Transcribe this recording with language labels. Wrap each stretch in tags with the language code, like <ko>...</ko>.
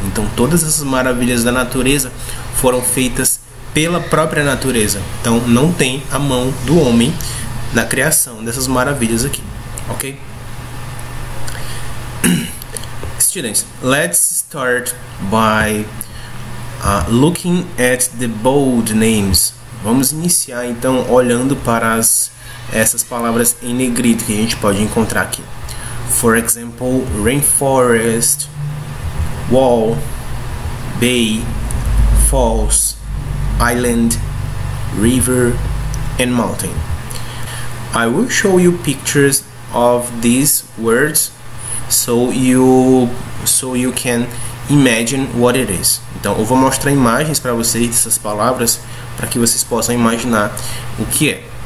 <pt>Então, todas essas maravilhas da natureza foram feitas pela própria natureza. Então, não tem a mão do homem na criação dessas maravilhas aqui. Ok?</pt> <en>Students, let's start by looking at the bold names.</en> <pt>Vamos iniciar, então, olhando para essas palavras em negrito que a gente pode encontrar aqui.</pt> <en>For example, rainforest, wall, bay, falls, island, river, and mountain. I will show you pictures of these words so you can imagine what it is.</en> <pt>Então, eu vou mostrar imagens para vocês dessas palavras para que vocês possam imaginar o que é.</pt>